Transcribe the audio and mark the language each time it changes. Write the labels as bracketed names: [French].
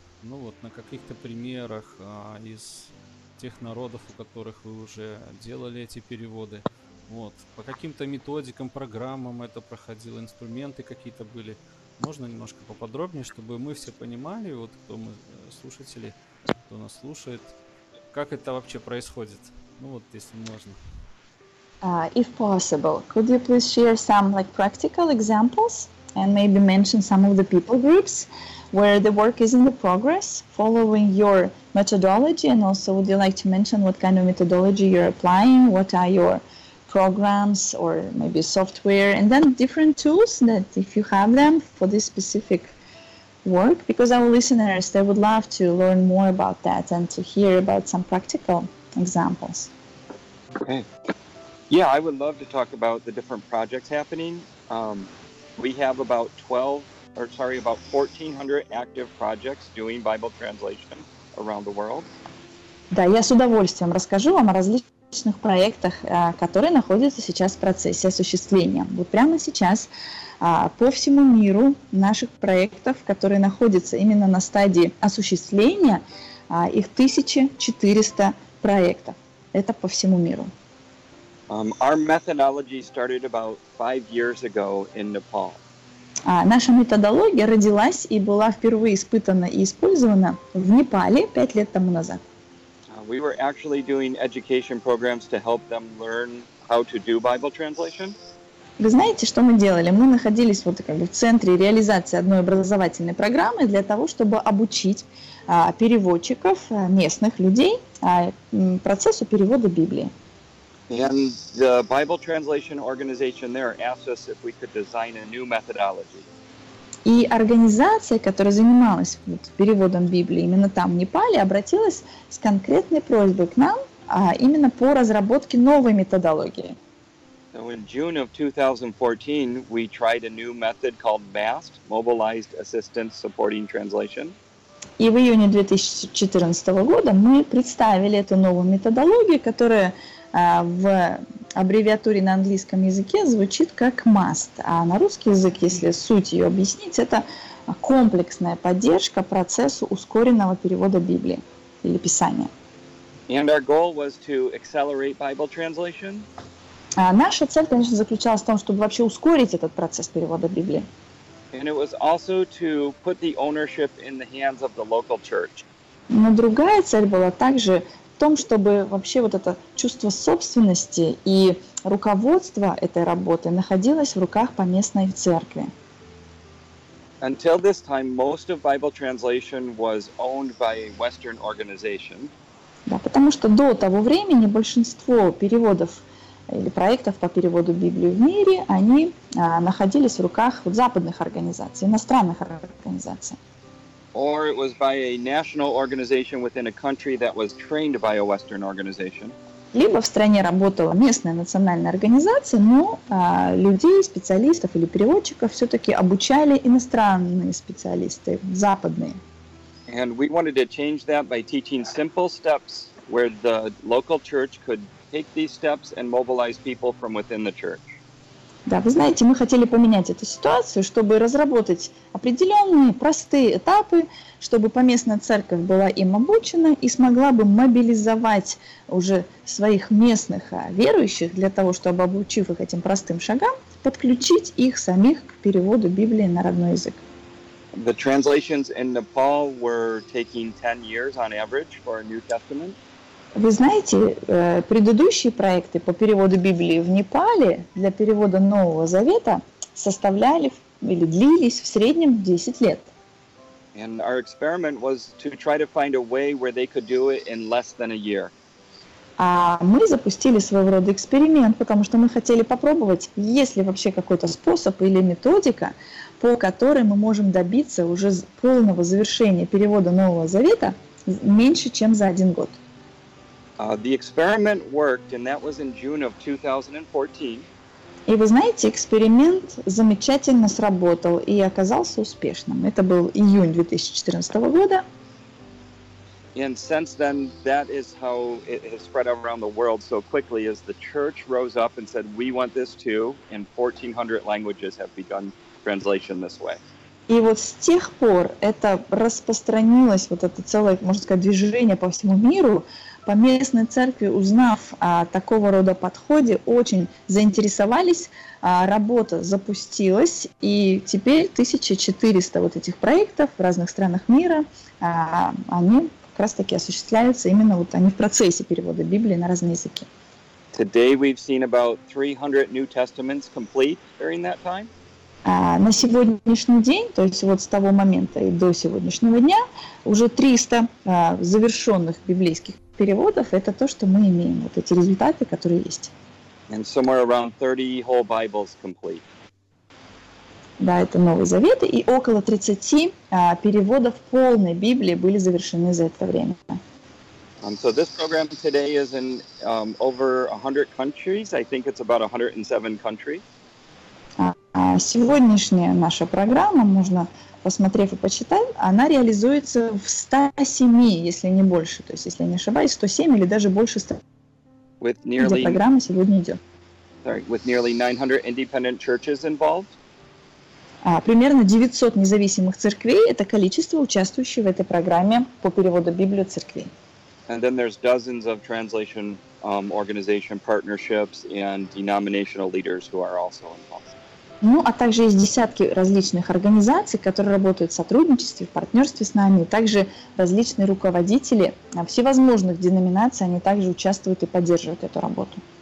[Russian] Ну вот на каких-то примерах из тех народов, у которых вы уже делали эти переводы. Вот, по каким-то методикам, программам это проходило, инструменты какие-то были. Можно немножко поподробнее, чтобы мы все понимали, вот кто мы слушатели, кто нас слушает, как это вообще происходит? Ну вот, если можно. [English] If possible, could you please share some like practical examples and maybe mention some of the people groups where the work is in the progress following your methodology, and also would you like to mention what kind of methodology you're applying, what are your programs or maybe software, and then different tools that if you have them for this specific work, because our listeners, they would love to learn more about that and to hear about some practical examples. Okay. Yeah, I would love to talk about the different projects happening. We have about 1,400 active projects doing Bible translation around the world. [Russian] Да, я с удовольствием расскажу вам о различных проектах, которые находятся сейчас в процессе осуществления. Вот прямо сейчас по всему миру наших проектов, которые находятся именно на стадии осуществления, их 1,400 проектов. Это по всему миру. [English] Our methodology started about 5 years ago in Nepal. [Russian] Наша методология родилась и была впервые испытана и использована в Непале 5 лет тому назад. [English] We were actually doing education programs to help them learn how to do Bible translation. [Russian] Вы знаете, что мы делали? Мы находились вот как бы в центре реализации одной образовательной программы для того, чтобы обучить переводчиков, местных людей, процессу перевода Библии. [English] And the Bible translation organization there asked us if we could design a new methodology. [Russian] И организация, которая занималась вот переводом Библии именно там, в Непале, обратилась с конкретной просьбой к нам именно по разработке новой методологии. [English] So in June of 2014, we tried a new method called MAST, Mobilized Assistance Supporting Translation. [Russian] И в июне 2014 года мы представили эту новую методологию, которая в аббревиатуре на английском языке звучит как MAST, а на русский язык, если суть ее объяснить, это комплексная поддержка процессу ускоренного перевода Библии или Писания. [English] And our goal was to accelerate Bible translation. [Russian] Наша цель, конечно, заключалась в том, чтобы вообще ускорить этот процесс перевода Библии. [English] And it was also to put the ownership in the hands of the local church. [Russian] Но другая цель была также в том, чтобы вообще вот это чувство собственности и руководство этой работы находилось в руках поместной церкви. [English] Until this time, most of Bible translation was owned by a Western organization. [Russian] Да, потому что до того времени большинство переводов или проектов по переводу Библии в мире, они находились в руках вот западных организаций, иностранных организаций. [English] Or it was by a national organization within a country that was trained by a Western organization. [Russian] Либо в стране работала местная национальная организация, но людей, специалистов или переводчиков все-таки обучали иностранные специалисты, западные. [English] And we wanted to change that by teaching simple steps where the local church could take these steps and mobilize people from within the church. [Russian] Да, вы знаете, мы хотели поменять эту ситуацию, чтобы разработать определенные простые этапы, чтобы поместная церковь была им обучена и смогла бы мобилизовать уже своих местных верующих для того, чтобы, обучив их этим простым шагам, подключить их самих к переводу Библии на родной язык. [English] The translations in Nepal were taking 10 years on average for a New Testament. [Russian] Вы знаете, предыдущие проекты по переводу Библии в Непале для перевода Нового Завета составляли или длились в среднем 10 лет. [English] And our experiment was to try to find a way where they could do it in less than a year. [Russian] А мы запустили своего рода эксперимент, потому что мы хотели попробовать, есть ли вообще какой-то способ или методика, по которой мы можем добиться уже полного завершения перевода Нового Завета меньше, чем за один год. [English] The experiment worked, and that was in June of 2014. [Russian] И вы знаете, эксперимент замечательно сработал и оказался успешным. Это был июнь 2014 года. [English] And since then, that is how it has spread around the world so quickly, as the church rose up and said, we want this too, and 1,400 languages have begun translation this way. [Russian] И вот с тех пор это распространилось, вот это целое, можно сказать, движение по всему миру. По местной церкви, узнав о такого рода подходе, очень заинтересовались, работа запустилась, и теперь 1400 вот этих проектов в разных странах мира, они как раз-таки осуществляются, именно вот они в процессе перевода Библии на разные языки. [English] Today we've seen about 300 New Testaments complete during that time. [Russian] На сегодняшний день, то есть вот с того момента и до сегодняшнего дня, уже 300 завершенных библейских переводов, это то, что мы имеем, вот эти результаты, которые есть. [English] And somewhere around 30 whole Bibles complete. [Russian] Да, это Новый Завет, и около 30 переводов полной Библии были завершены за это время. [English] So this program today is in over 100 countries. I think it's about 107 countries. [Russian] Сегодняшняя наша программа, можно, посмотрев и почитав, она реализуется в 107, если не больше, то есть, если я не ошибаюсь, 107 или даже больше 100, где программа сегодня идет. [English] Sorry, with nearly 900 independent churches involved. [Russian] Примерно 900 независимых церквей – это количество, участвующих в этой программе по переводу Библии церквей. [English] And then there's dozens of translation organization partnerships and denominational leaders who are also involved. [Russian] Ну, а также есть десятки различных организаций, которые работают в сотрудничестве, в партнерстве с нами, и также различные руководители всевозможных деноминаций, они также участвуют и поддерживают эту работу.